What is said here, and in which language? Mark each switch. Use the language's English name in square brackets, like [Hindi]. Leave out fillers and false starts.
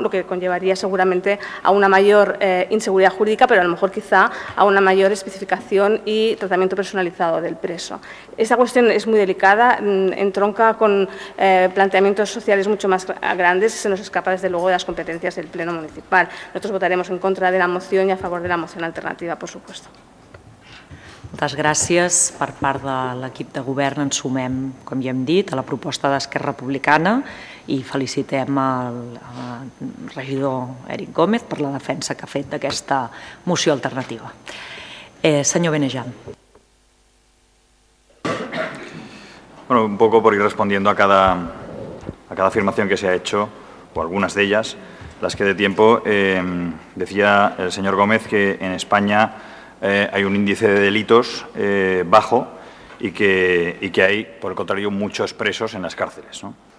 [Spanish] Lo que conllevaría seguramente a una mayor inseguridad jurídica, pero a lo mejor quizá a una mayor especificación y tratamiento personalizado del preso. Esta cuestión es muy delicada, entronca con planteamientos sociales mucho más grandes y se nos escapa desde luego de las competencias del Pleno Municipal. Nosotros votaremos en contra de la moción y a favor de la moción alternativa, por supuesto. [Catalan] Moltes gràcies. Per part de l'equip de govern ens sumem, com ja hem dit, a la proposta d'Esquerra Republicana i felicitem el regidor Eric Gómez per la defensa que ha fet d'aquesta moció alternativa. Senyor Benesjam. [Spanish] Bueno, un poco por ir respondiendo a cada afirmación que se ha hecho, o algunas de ellas, las que de tiempo. Decía el señor Gómez que en España hay un índice de delitos bajo y que hay, por el contrario, muchos presos en las cárceles, ¿no?